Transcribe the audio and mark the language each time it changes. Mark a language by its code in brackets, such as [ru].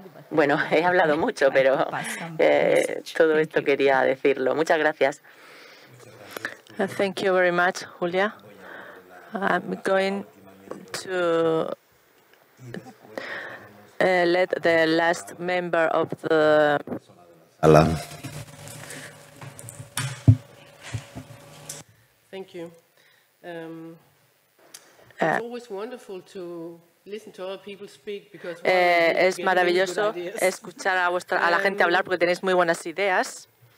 [es] Bueno, he hablado mucho, pero todo esto quería decirlo. Muchas gracias. [en] Thank you very much, Julia. I'm going to let the last member of the... Alan. Thank you. It's always wonderful to listen to other people speak because [es] es maravilloso escuchar a vuestra a la gente hablar porque tenéis muy buenas ideas.